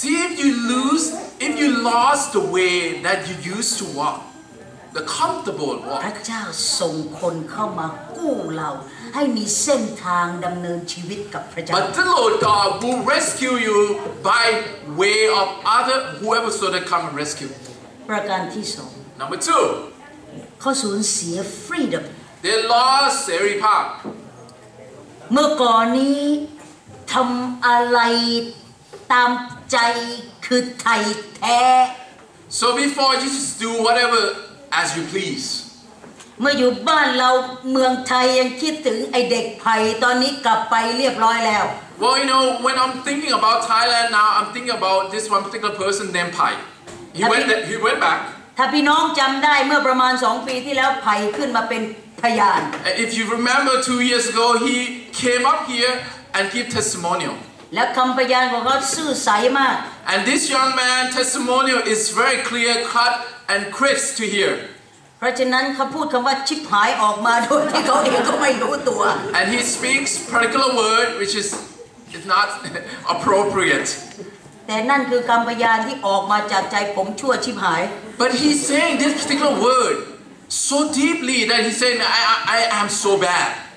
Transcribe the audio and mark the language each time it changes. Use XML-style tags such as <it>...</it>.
<en>If you lost the way that you used to walk, the comfortable walk.</en> <th>พระเจ้าส่งคนเข้ามากู้เราให้มีเส้นทางดำเนินชีวิตกับพระเจ้า</th> <en>But the Lord God will rescue you by way of other whoever so that come and rescue.</en> <th>ประการที่สอง</th> <en>Number two</en> <th>เขาสูญเสีย freedom</th> <en>They lost their power</en> <th>เมื่อก่อนนี้ทำอะไรตามใจคือไทยแท้</th> <en>So before you just do whatever as you please</en> <th>เมื่ออยู่บ้านเราเมืองไทยยังคิดถึงไอ้เด็กไผ่ตอนนี้กลับไปเรียบร้อยแล้ว</th> <en>Well you know when I'm thinking about Thailand now I'm thinking about this one particular person named Pai He went back.</en> <th>ถ้าพี่น้องจำได้เมื่อประมาณ2ปีที่แล้วไผ่ขึ้นมาเป็นพยาน</th> <en>If you remember 2 years ago he came up here and give testimonial.</en> <th>และคำพยานของเขาซื่อใสมาก</th> <en>And this young man testimonial is very clear cut and crisp to hear.</en> <th>เพราะฉะนั้นเขาพูดคำว่าชิบหายออกมาโดยที่เขาเองก็ไม่รู้ตัว</th> <en>And he speaks particular word which is not appropriate.</en> <th>แต่นั่นคือคำพยานที่ออกมาจากใจผมชั่วชิบหาย</th> <en>But he's saying this particular word so deeply that he's saying I am so bad.</en>